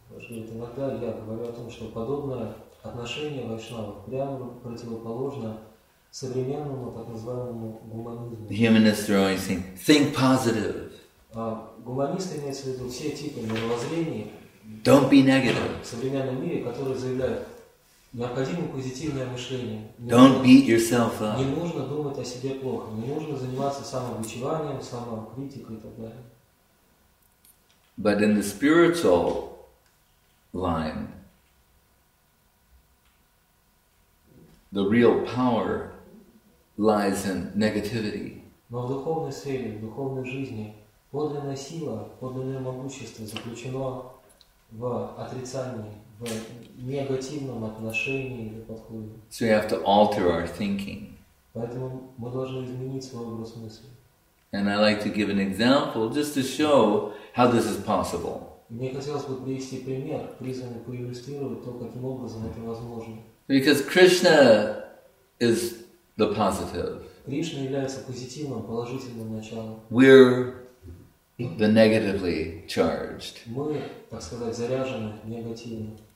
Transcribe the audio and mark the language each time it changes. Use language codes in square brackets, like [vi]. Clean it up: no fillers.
[ru] Иногда я говорю о том, что подобное отношение вайшнава прямо противоположно современному так называемому гуманизму. [en] Humanists are always saying, think positive. [ru] Гуманисты имеют в виду все типы мировоззрений. [en] Don't be negative. [ru] В современном мире, которые заявляют, необходимо позитивное мышление. [en] Don't beat yourself up. [ru] Не нужно думать о себе плохо. Не нужно заниматься самобичеванием, самокритикой и так далее. [en] But in the spiritual line, the real power lies in negativity. [ru] Но в духовной сфере, в духовной жизни, подлинная сила, подлинное могущество заключено в отрицании. В негативном отношении или подходе. [en] So we have to alter our thinking. [ru] Поэтому мы должны изменить свой образ мысли. [en] And I like to give an example just to show how this is possible. [ru] Мне хотелось бы привести пример, призванный проиллюстрировать то, каким образом это возможно. [en] Because Krishna is the positive. [ru] Кришна является позитивным, положительным началом. [en] We're the negatively charged. [ru] Мы, так сказать, заряжены негативно.